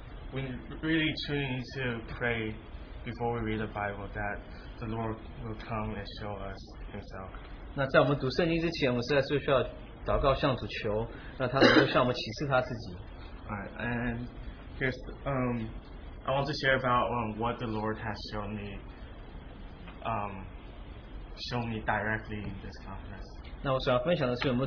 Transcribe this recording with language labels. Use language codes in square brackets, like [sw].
[en] We really truly need to pray before we read the Bible that the Lord will come and show us Himself. [zh] 那在我们读圣经之前，我们实在是需要祷告，向主求，让他能够向我们启示他自己。 [en] Alright, and here's I want to share about what the Lord has shown me, directly in this conference.